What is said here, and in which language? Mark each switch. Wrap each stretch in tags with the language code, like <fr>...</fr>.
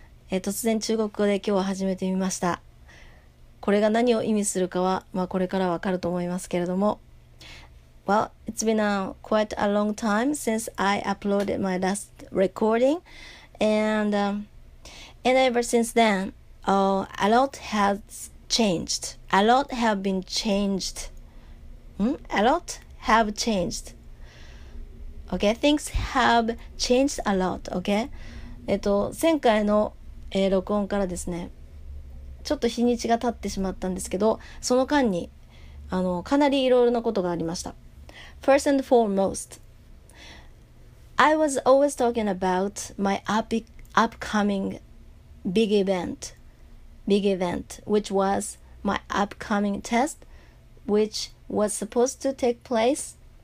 <ja>突然中国語で今日は始めてみました。これが何を意味するかは、これからわかると思いますけれども。</ja> <en>Well, it's been quite a long time since I uploaded my last recording, and ever since then, a lot has changed. A lot have been changed. A lot have changed. Okay, things have changed a lot.</en> <ja>Okay, 前回の、録音からですね、ちょっと日にちが経ってしまったんですけど、その間にかなりいろいろなことがありました。</ja> <en>First and foremost, I was always talking about my upcoming big event, which was my upcoming test, which was supposed to take place.</en>